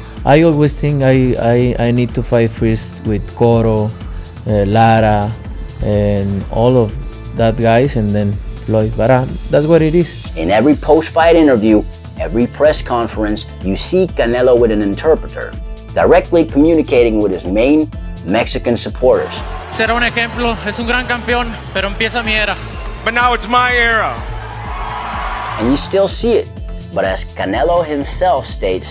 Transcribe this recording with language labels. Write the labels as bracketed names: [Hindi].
[English] I always think I need to fight first with Coro, Lara, and all of that guys, and then Floyd. But that's what it is. In every post-fight interview, every press conference, you see Canelo with an interpreter, directly communicating with his main Mexican supporters. [Spanish] Será un ejemplo, es un gran campeón, pero empieza mi era. [English] But now it's my era. And you still see it, but as Canelo himself states,